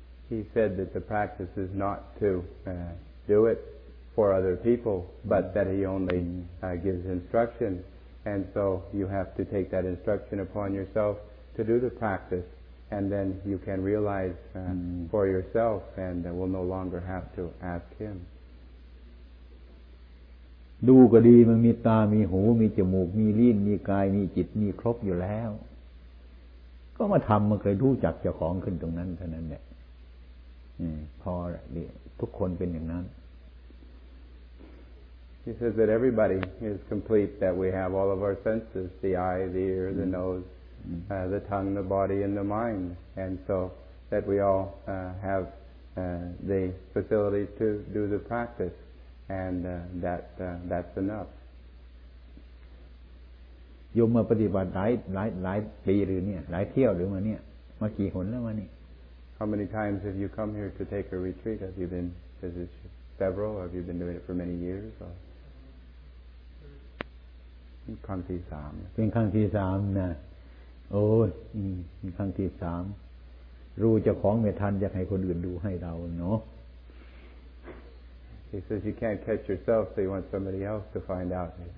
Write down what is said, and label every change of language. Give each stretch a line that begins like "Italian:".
English: He said that the practice is not to do it for other people but that he only gives instruction and so you have to take that instruction upon yourself to do the practice and then you can realize for yourself and will no longer have to ask him
Thai: ดูก็ดีมันมีตามีหูมีจมูกมีลิ้นมีกายมีจิตมีครบอยู่แล้วก็มาทำมันเคยรู้จักเจ้าของขึ้นตรงนั้นเท่านั้นแหละพอละทุกคนเป็นอย่างนั้น
English: She says that everybody is complete, that we have all of our senses, the eye, the ear, the nose, the tongue, the body, and the mind. And so that we all have the facility to do the practice, and that's enough.
Thai: โยมมาปฏิบัติหลายปีหรือเนี่ยหลายเที่ยวหรือมาเนี่ยมากี่หนแล้วมานี่
English: How many times have you come here to take a retreat? Have you been, is it several? Have you been doing it for many years? Or...
Thai: ครั้งที่สาม เป็นครั้งที่สามนะโอ้ยเป็นครั้งที่สามรู้จะของไม่ทันอยากให้คนอื่นดูให้เราเนาะ
English: He says you can't catch yourself so you want somebody else to find out